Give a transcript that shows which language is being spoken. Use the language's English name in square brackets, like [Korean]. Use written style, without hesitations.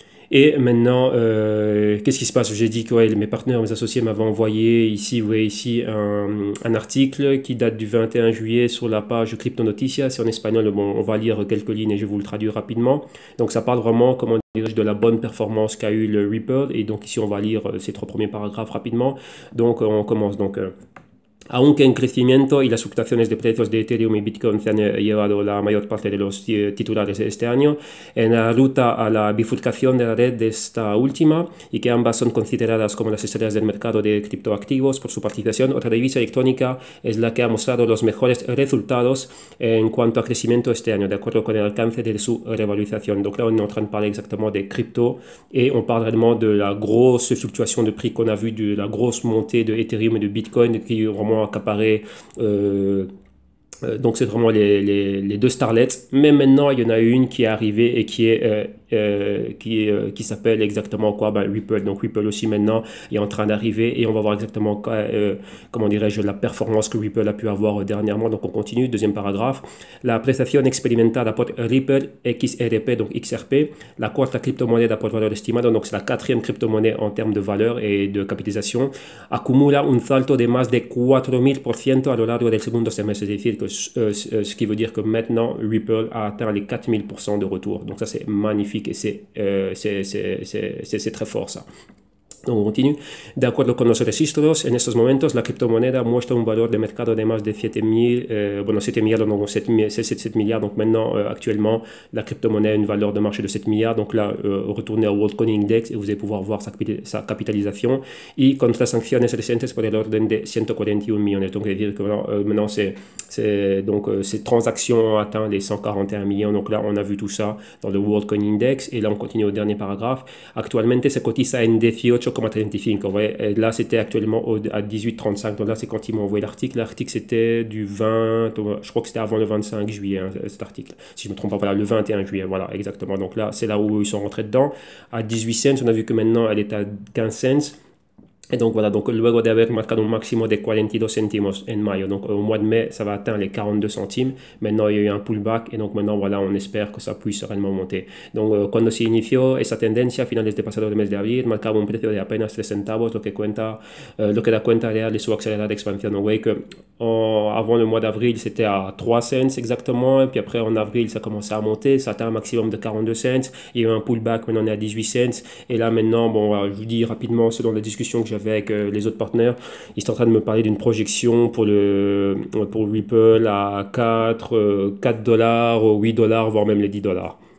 [French] Et maintenant, qu'est-ce qui se passe? J'ai dit que ouais, mes partenaires, mes associés m'avaient envoyé ici, vous voyez ici, un article qui date du 21 juillet sur la page Crypto Noticias. C'est en espagnol, bon, on va lire quelques lignes et je vais vous le traduire rapidement. Donc ça parle vraiment, comment dirais-je, de la bonne performance qu'a eu le Ripple. Et donc ici, on va lire ces trois premiers paragraphes rapidement. Donc on commence donc. [Spanish] Aunque en crecimiento y las fluctuaciones de precios de Ethereum y Bitcoin se han llevado la mayor parte de los titulares de este año, en la ruta a la bifurcación de la red de esta última, y que ambas son consideradas como las estrellas del mercado de criptoactivos por su participación, otra divisa electrónica es la que ha mostrado los mejores resultados en cuanto a crecimiento este año, de acuerdo con el alcance de su revalorización. [French] Donc là, on est en train de parler exactement des cryptos, et on parle vraiment de la grosse fluctuation de prix qu'on a vu, de la grosse montée de Ethereum et de Bitcoin qui vraiment accaparé. Donc c'est vraiment les deux starlets, mais maintenant il y en a une qui est arrivée et qui s'appelle exactement quoi? Ben, Ripple. Donc Ripple aussi maintenant est en train d'arriver, et on va voir exactement la performance que Ripple a pu avoir dernièrement. Donc on continue, deuxième paragraphe. [Spanish] La prestación experimentada por Ripple XRP, donc XRP, la cuarta criptomoneda por valor estimado, [French] donc c'est la quatrième criptomonnaie en termes de valeur et de capitalisation, [Spanish] acumula un salto de más de 4000% a lo largo del segundo semestre. [French] C'est difficile. Ce qui veut dire que maintenant Ripple a atteint les 4000% de retour. Donc ça, c'est magnifique et c'est très fort ça. Donc on continue. [Spanish] De acuerdo con los registros, en estos momentos la criptomoneda muestra un valor de mercado de más de 7 milliards. [French] Donc maintenant, actuellement, la criptomoneda a une valeur de marché de 7 milliards. Donc là, retournez au Worldcoin Index et vous allez pouvoir voir sa capitalisation. [Spanish] Y con las sanciones recientes por el orden de 141 millones. [French] Donc c'est-à-dire que maintenant, ces transactions ont atteint les 141 millions. Donc là, on a vu tout ça dans le Worldcoin Index. Et là, on continue au dernier paragraphe. [Spanish] Actualmente se cotiza en 18,35. [French] Là, c'était actuellement à 18,35. Donc là, c'est quand ils m'ont envoyé l'article. L'article, c'était du 20, je crois que c'était avant le 25 juillet, hein, cet article. Si je ne me trompe pas, voilà, le 21 juillet. Voilà, exactement. Donc là, c'est là où ils sont rentrés dedans. À 18 cents, on a vu que maintenant, elle est à 15 cents. Et donc voilà, donc [Spanish] luego de haber marcado un máximo de 42 centimos en mayo, [French] donc au mois de mai, ça va atteindre les 42 centimes. Maintenant, il y a eu un pullback et donc maintenant, voilà, on espère que ça puisse sereinement monter. [Spanish] Donc, cuando se inició esa tendencia a finales de pasado mes de abril, marcaba un precio de apenas 3 centavos, lo que da cuenta real de su accelerada expansión. [French] Donc, vous voyez que avant le mois d'avril, c'était à 3 cents exactement, et puis après, en avril, ça commençait à monter, ça atteint un maximum de 42 cents. Il y a eu un pullback, maintenant, on est à 18 cents. Et là, maintenant, bon, voilà, je vous dis rapidement, selon la discussion que j'avais avec les autres partenaires, ils sont en train de me parler d'une projection pour Ripple à 4 dollars, 8 dollars, voire même les 10 dollars.